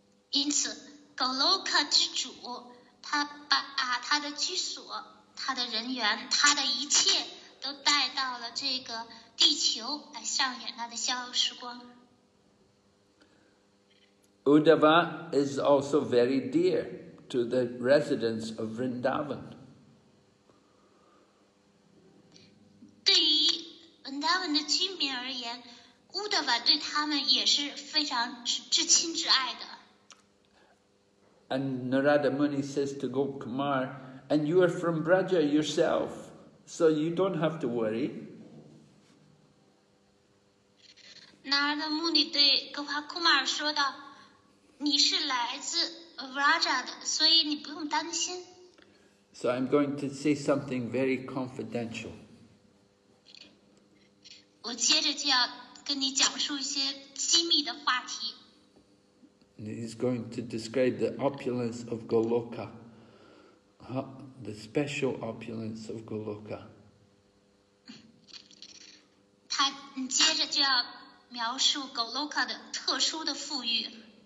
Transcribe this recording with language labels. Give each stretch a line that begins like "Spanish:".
Chinese: 因此 Goloka 之主他把他的居所他的人员他的一切都带到了这个地球来上演他的逍遥时光。
English: Uddhava is also very dear to the residents of Vrindavan.
Chinese: 对于 Vrindavan 的居民而言 Uddhava 对他们也是非常至亲至爱的。
English: And Narada Muni says to Gopkumar, and you are from Braja yourself, so you don't have to worry.
Chinese: Narada Muni 对 Gopkumar 说道，你是来自 Braja 的，所以你不用担心。
English: So I'm going to say something very confidential.
Chinese: 我接着就要跟你讲述一些机密的话题。
English: He's going to describe the opulence of Goloka, the special opulence of Goloka.
Chinese: 他接着就要描述 Goloka 的特殊的富裕。